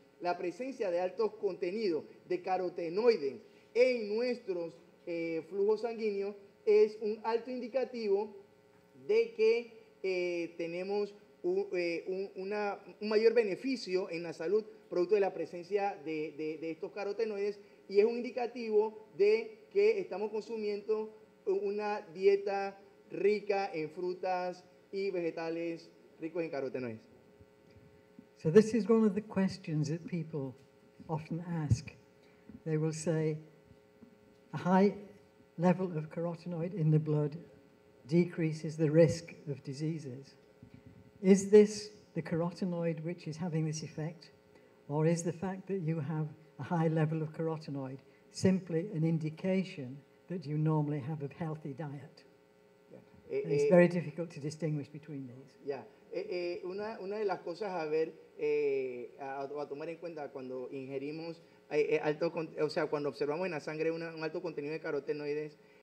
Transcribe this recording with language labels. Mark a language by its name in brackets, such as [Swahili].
[Spanish] La presencia de altos contenidos de carotenoides en nuestros flujo sanguíneo es un alto indicativo de que tenemos un mayor beneficio en la salud producto de la presencia de estos carotenoides y es un indicativo de que estamos consumiendo una dieta rica en frutas y vegetales ricos en carotenoides. [English] So this is one of the questions that people often ask. They will say, a high level of carotenoid in the blood decreases the risk of diseases. Is this the carotenoid which is having this effect, or is the fact that you have a high level of carotenoid simply an indication that you normally have a healthy diet? Yeah. It's very difficult to distinguish between these. Yeah. [Spanish] Una de las cosas a ver, a tomar en cuenta cuando ingerimos alto, o sea, cuando observamos en la sangre un alto contenido de carotenoides,